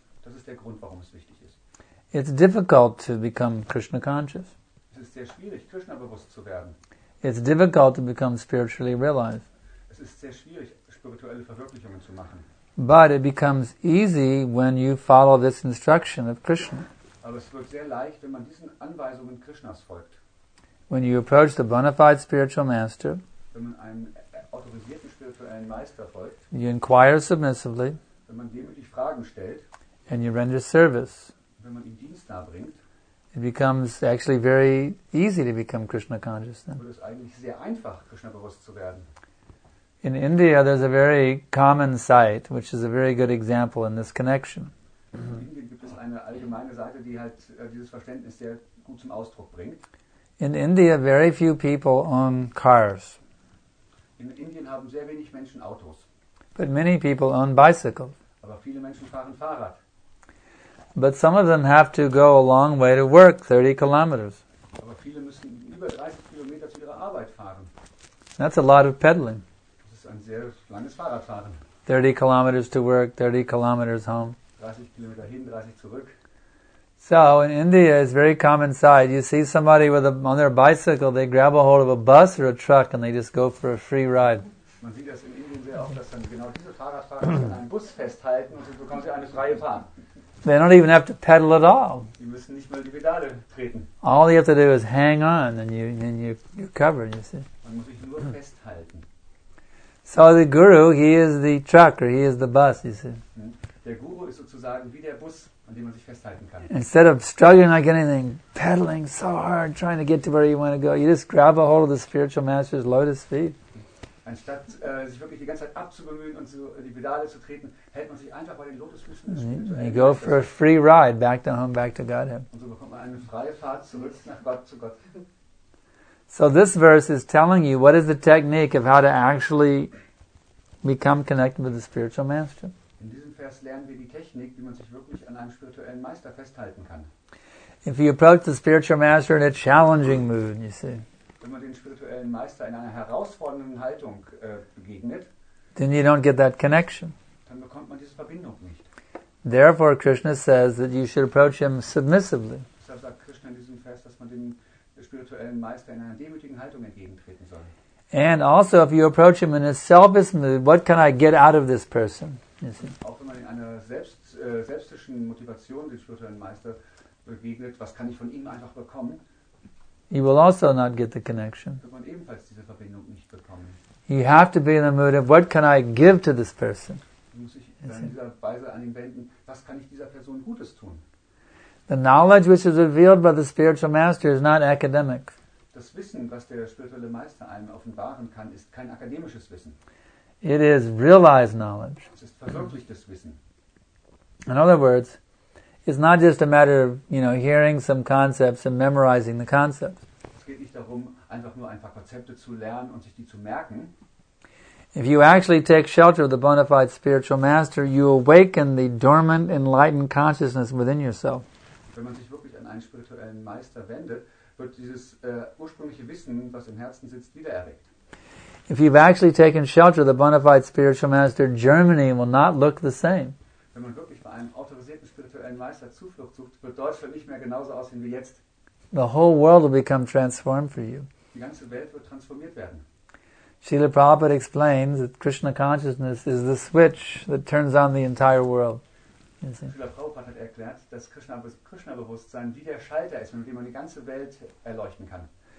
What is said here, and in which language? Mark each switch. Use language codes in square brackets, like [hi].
[de] Das ist der Grund, warum es wichtig ist. [en] It's difficult to become Krishna conscious. [de] Es ist sehr schwierig, Krishna bewusst zu werden. [en] It's difficult to become spiritually realized. [de] Es ist sehr schwierig, spirituelle Verwirklichungen zu machen. [en] But it becomes easy when you follow this instruction of Krishna. [de] Aber es wird sehr leicht, wenn man diesen Anweisungen Krishnas folgt. [en] When you approach the bona fide spiritual master, [de] wenn man einen autorisierten spirituellen Meister folgt, [en] you inquire submissively, [de] wenn man demütig Fragen stellt, [en] and you render service, [de] wenn man ihm Dienst darbringt, [en] it becomes actually very easy to become Krishna conscious. Then. [de] Wird es eigentlich sehr einfach, Krishna bewusst zu werden. [en] In India, there's a very common sight, which is a very good example in this connection. [de] In Indien gibt es eine allgemeine Seite, die halt dieses Verständnis sehr gut zum Ausdruck bringt. [en] In India, very few people own cars. [de] In Indien haben sehr wenig Menschen Autos. [en] But many people own bicycles. [de] Aber viele Menschen fahren Fahrrad. [en] But some of them have to go a long way to work, 30 kilometers. [de] Aber viele müssen über 30 Kilometer zu ihrer Arbeit fahren. [en] That's a lot of pedaling. [de] Das ist ein sehr langes Fahrradfahren. [en] 30 kilometers to work, 30 kilometers home. [de] 30 Kilometer hin, 30 zurück. [en] So, in India, it's a very common sight. You see somebody with a, on their bicycle, they grab a hold of a bus or a truck and they just go for a free ride. [de] Man sieht das in Indien sehr oft, dass dann genau diese Fahrradfahrer sich an einem Bus festhalten und so bekommen sie eine freie Fahrt. [en] They don't even have to pedal at all. [de] Die müssen nicht mal die Pedale treten. [en] All you have to do is hang on and you're covered, you see. [de] Man muss sich nur festhalten. [en] So the guru, he is the truck or he is the bus, you see. [de] Der Guru ist sozusagen wie der Bus, an dem man sich festhalten kann. [en] Instead of struggling like anything, pedaling so hard, trying to get to where you want to go, you just grab a hold of the spiritual master's lotus feet. [de] Anstatt sich wirklich die ganze Zeit abzubemühen und so die Pedale zu treten, hält man sich einfach bei den Lotusfüßen. [en] You go for a free ride back to home, back to Godhead. [de] Und so bekommt man eine freie Fahrt zurück nach Gott, zu Gott. [en] So this verse is telling you what is the technique of how to actually become connected with the spiritual master. [de] In diesem Vers lernen wir die Technik, wie man sich wirklich an einem spirituellen Meister festhalten kann. [en] If you approach the spiritual master in a challenging mood, you see. [de] Wenn man den spirituellen Meister in einer herausfordernden Haltung begegnet, [en] then you don't get that connection. [de] Dann bekommt man diese Verbindung nicht. [en] Therefore Krishna says that you should approach him submissively. [de] Deshalb sagt Krishna in diesem Vers, dass man den spirituellen Meister in einer demütigen Haltung entgegentreten soll. [en] And also if you approach him in a selfish mood, what can I get out of this person? [de] Auch wenn man in einer selbstischen Motivation den spirituellen Meister begegnet, was kann ich von ihm einfach bekommen? [en] You will also not get the connection. [de] Wird man ebenfalls diese Verbindung nicht bekommen. [en] You have to be in the mood of what can I give to this person? [de] Muss ich dann in dieser Weise an ihn wenden, was kann ich dieser Person Gutes tun? [en] The knowledge which is revealed by the spiritual master is not academic. [de] Das Wissen, was der spirituelle Meister einem offenbaren kann, ist kein akademisches Wissen. [en] It is realized knowledge. [de] Es ist verwirklichtes Wissen. [en] In other words, it's not just a matter of, you know, hearing some concepts and memorizing the concepts. [de] Es geht nicht darum, einfach nur ein paar Konzepte zu lernen und sich die zu merken. [en] If you actually take shelter of the bona fide spiritual master, you awaken the dormant enlightened consciousness within yourself. [de] Wenn man sich wirklich an einen spirituellen Meister wendet, wird dieses ursprüngliche Wissen, was im Herzen sitzt, wiedererweckt. [en] If you've actually taken shelter, the bona fide spiritual master in Germany will not look the same. [de] Wenn man wirklich bei einem autorisierten spirituellen Meister Zuflucht sucht, wird Deutschland nicht mehr genauso aussehen wie jetzt. [en] The whole world will become transformed for you. [de] Die ganze Welt wird transformiert werden. [en] Srila Prabhupada explains that Krishna consciousness is the switch that turns on the entire world. [de] Srila Prabhupada hat erklärt, dass Krishna-Bewusstsein wie der Schalter ist, mit dem man die ganze Welt erleuchten kann.